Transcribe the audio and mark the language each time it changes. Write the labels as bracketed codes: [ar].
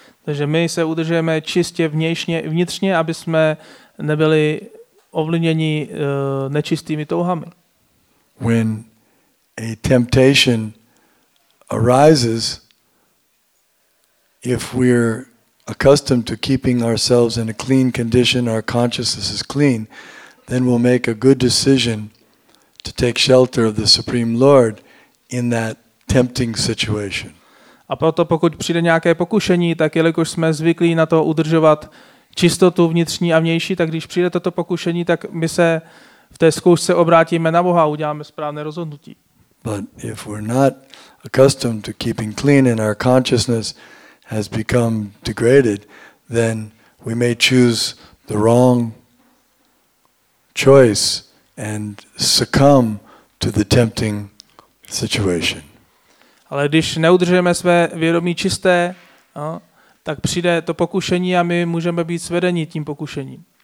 [cs] Takže my se udržujeme čistě vnějšně i vnitřně, aby jsme nebyli ovlivněni nečistými touhami. [en] When a temptation arises, if we're accustomed to keeping ourselves in a clean condition, our consciousness is clean, then we'll make a good decision to take shelter of the Supreme Lord in that tempting situation. [cs] A proto pokud přijde nějaké pokušení, tak jelikož jsme zvyklí na to udržovat čistotu vnitřní a vnější, tak když přijde toto pokušení, tak my se v té zkoušce obrátíme na Boha a uděláme správné rozhodnutí. [en] But if we're not accustomed to keeping clean and our consciousness has become degraded, then we may choose the wrong choice and succumb to the tempting situation. [cs] Ale když neudržujeme své vědomí čisté, no, tak přijde to pokušení a my můžeme být svedeni tím pokušením.